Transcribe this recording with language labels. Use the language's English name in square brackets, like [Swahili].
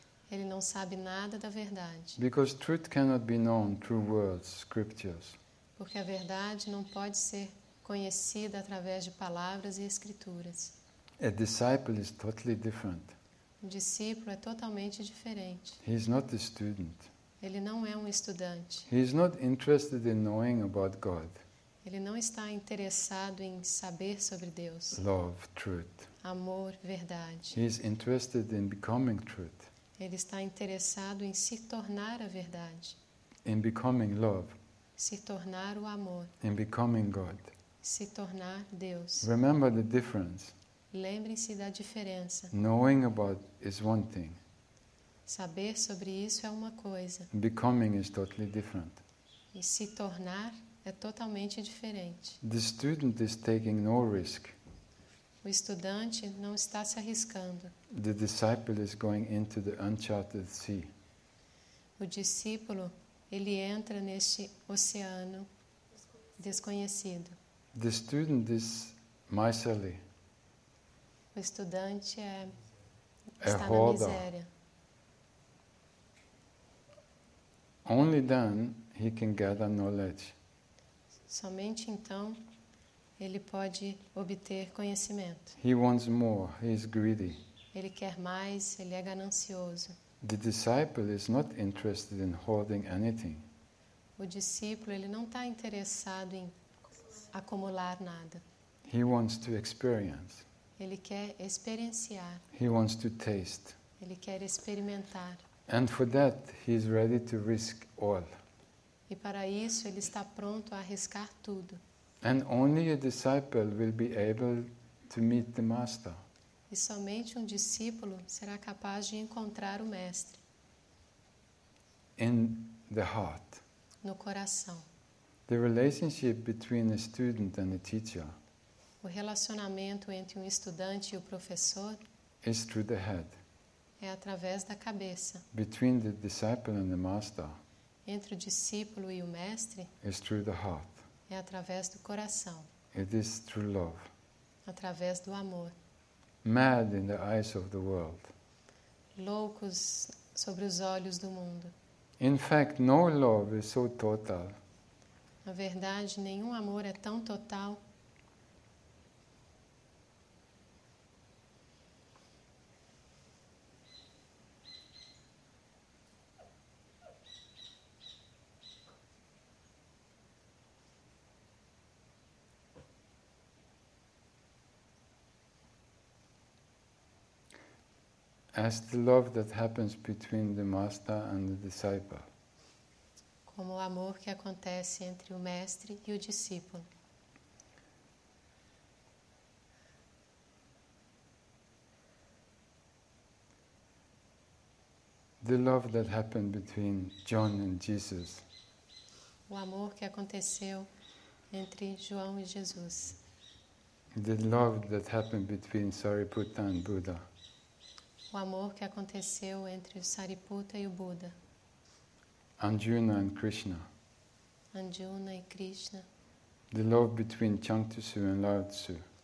[Portuguese] Ele não sabe nada da verdade. [English] Because truth cannot be known through words, scriptures. [Portuguese] Porque a verdade não pode ser conhecida através de palavras e escrituras. [English] A disciple is totally different. [Portuguese] Um discípulo é totalmente diferente. [English] He is not a student. [Portuguese] Ele não é um estudante. [English] He is not interested in knowing about God. [Portuguese] Ele não está interessado em saber sobre Deus. [English] Love, truth. [Portuguese] Amor, verdade. [English] He is interested in becoming truth. [Portuguese] Ele está interessado em se tornar a verdade. [English] In becoming love. [Portuguese] Se tornar o amor. [English] In becoming God. [Portuguese] Se tornar Deus. [English] Remember the difference. [Portuguese] Lembrem-se da diferença. [English] Knowing about is one thing. [Portuguese] Saber sobre isso é uma coisa. [English] Becoming is totally different. [Portuguese] E se tornar é totalmente diferente. [English] The student is taking no risk. [Portuguese] O estudante não está se arriscando. [English] The disciple is going into the uncharted sea. [Portuguese] O discípulo, ele entra neste oceano desconhecido. [English] The student is miserly. [Portuguese] O estudante está na miséria. [English] Only then he can gather knowledge. [Portuguese] Somente então ele pode obter conhecimento. [English] He wants more, he is greedy. [Portuguese] Ele quer mais, ele é ganancioso. [English] The disciple is not interested in holding anything. [Portuguese] O discípulo, ele não está interessado em acumular nada. [English] He wants to experience. [Portuguese] Ele quer experienciar. [English] He wants to taste. [Portuguese] Ele quer experimentar. [English] And for that, he is ready to risk all. [Portuguese] E para isso, ele está pronto a arriscar tudo. [English] And only a disciple will be able to meet the master. [Portuguese] E somente um discípulo será capaz de encontrar o mestre. [English] In the heart. [Portuguese] No coração. [English] The relationship between a student and a teacher. [Portuguese] O relacionamento entre um estudante e o professor. [English] Is through the head. [Portuguese] É através da cabeça. [English] Between the disciple and the master. [Portuguese] Entre o discípulo e o mestre. [English] Is through the heart. [Portuguese] É através do coração. [English] It is through love. [Portuguese] Através do amor. [English] Mad in the eyes of the world. [Portuguese] Loucos sobre os olhos do mundo. [English] In fact, no love is so total. [Portuguese] Na verdade, nenhum amor é tão total. [English] As the love that happens between the master and the disciple. [Portuguese] Como o amor que acontece entre o mestre e o discípulo. [English] The love that happened between John and Jesus. [Portuguese] O amor que aconteceu entre João e Jesus. [English] The love that happened between Sariputta and Buddha. [Portuguese] O amor que aconteceu entre o Sariputta e o Buda. [English] Arjuna and Krishna. [Portuguese] Arjuna e Krishna. [English] The love between Chan Tzu and Lao Tzu.